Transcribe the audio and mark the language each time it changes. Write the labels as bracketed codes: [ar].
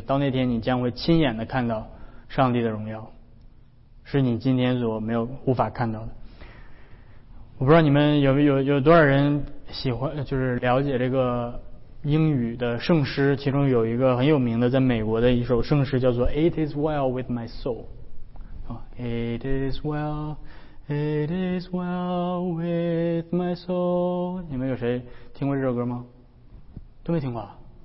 [zh] 到那天，你将会亲眼的看到上帝的荣耀，是你今天所没有无法看到的。我不知道你们有多少人喜欢，就是了解这个英语的圣诗，其中有一个很有名的，在美国的一首圣诗叫做 It is well with my soul。 [en] It is well, it is well with my soul。 [zh] 你们有谁听过这首歌吗？都没听过啊。